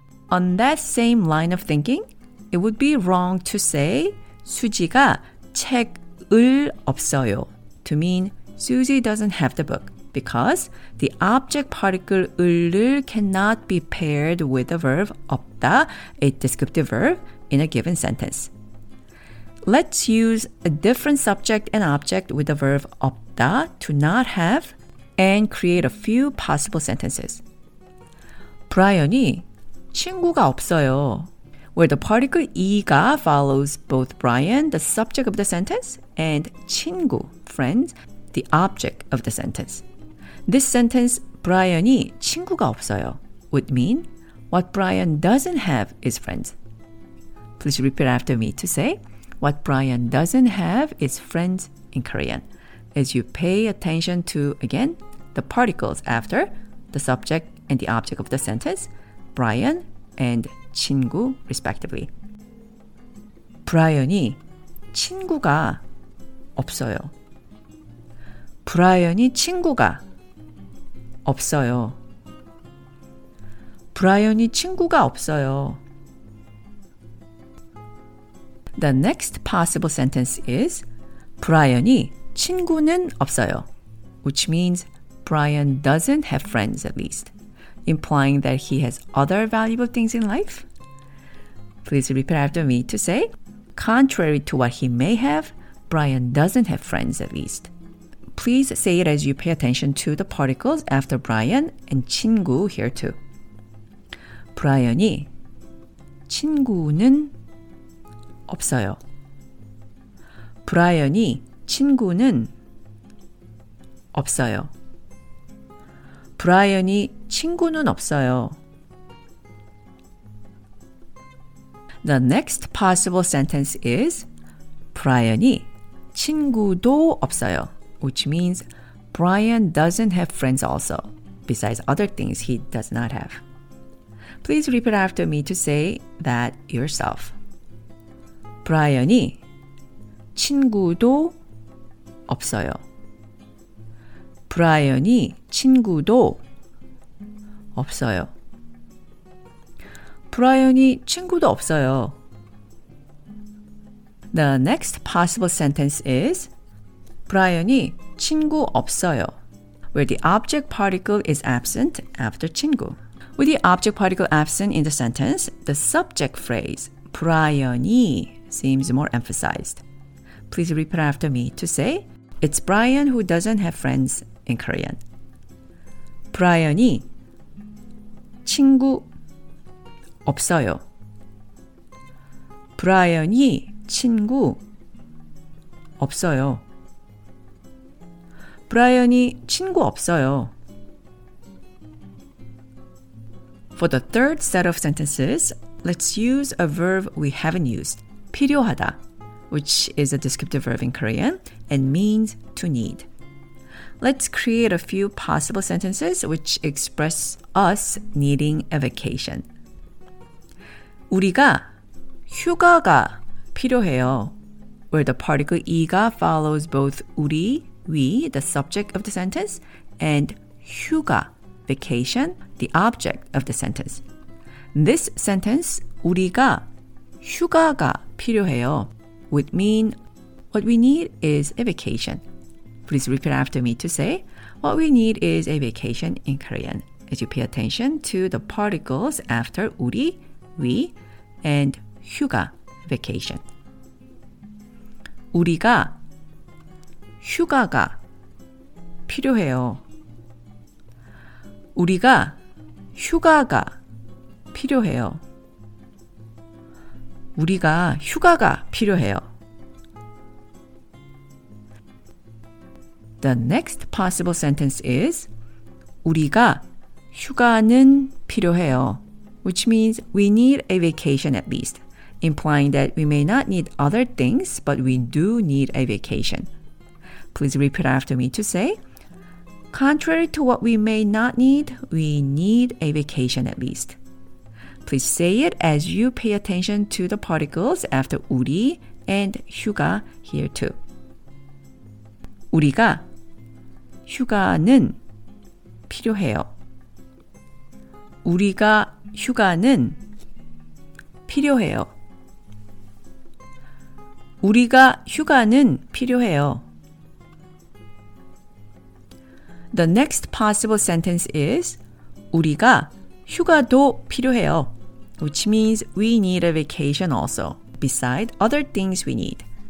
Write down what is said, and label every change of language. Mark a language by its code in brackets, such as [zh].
[en] On that same line of thinking, it would be wrong to say [ko] 수지가 책을 없어요, [en] to mean Susie doesn't have the book, because the object particle 을을 cannot be paired with the verb 없다, a descriptive verb, in a given sentence. Let's use a different subject and object with the verb 없다, to not have, and create a few possible sentences. [ko] 브라이언이 친구가 없어요. [en] Where the particle 이가 follows both Brian, the subject of the sentence, and 친구, friend, the object of the sentence. This sentence, [ko] 브라이언이 친구가 없어요, [en] would mean what Brian doesn't have is friends. Please repeat after me to say what Brian doesn't have is friends in Korean. As you pay attention to, again, the particles after the subject and the object of the sentence, Brian and 친구, respectively. [ko] 브라이언이 친구가 없어요. 브라이언이 친구가 없어요. 브라이언이 친구가 없어요. [en] The next possible sentence is [ko] 브라이언이 친구는 없어요, [en] which means Brian doesn't have friends at least, implying that he has other valuable things in life. Please repeat after me to say, contrary to what he may have, Brian doesn't have friends at least. Please say it as you pay attention to the particles after Brian and 친구 here too. [ko] 브라이언이 친구는 없어요. 브라이언이 친구는 없어요. 브라이언이 친구는 없어요. [en] The next possible sentence is [ko] 브라이언이 친구도 없어요, [en] which means Brian doesn't have friends also, besides other things he does not have. Please repeat after me to say that yourself. [ko] 브라이언이 친구도 없어요. 브라이언이 친구도 없어요. 브라이언이 친구도 없어요. [en] The next possible sentence is [ko] 브라이언이 친구 없어요, [en] where the object particle is absent after 친구. With the object particle absent in the sentence, the subject phrase 브라이언이 seems more emphasized. Please repeat after me to say, it's Brian who doesn't have friends in Korean. [ko] 브라이언이 친구 없어요. 브라이언이 친구 없어요. 브라이언이 친구 없어요. [en] For the third set of sentences, let's use a verb we haven't used, 필요하다, which is a descriptive verb in Korean and means to need. Let's create a few possible sentences which express us needing a vacation. [ko] 우리가 휴가가 필요해요, [en] where the particle 이가 follows both 우리, we, the subject of the sentence, and 휴가, vacation, the object of the sentence. In this sentence, [ko] 우리가 휴가가 필요해요, [en] would mean what we need is a vacation. Please repeat after me to say what we need is a vacation in Korean, as you pay attention to the particles after 우리, we, and 휴가, vacation. [ko] 우리가 휴가가 필요해요. 우리가 휴가가 필요해요. 우리가 휴가가 필요해요. [en] The next possible sentence is [ko] 우리가 휴가는 필요해요, [en] which means we need a vacation at least, implying that we may not need other things, but we do need a vacation. Please repeat after me to say, contrary to what we may not need, we need a vacation at least. Please say it as you pay attention to the particles after 우리 and 휴가 here too. [ko] 우리가 휴가는 필요해요. 우리가 휴가는 필요해요. 우리가 휴가는 필요해요. [en] The next possible sentence is [ko] 우리가 휴가도 필요해요, [en] which means we need a vacation also, beside other things we need.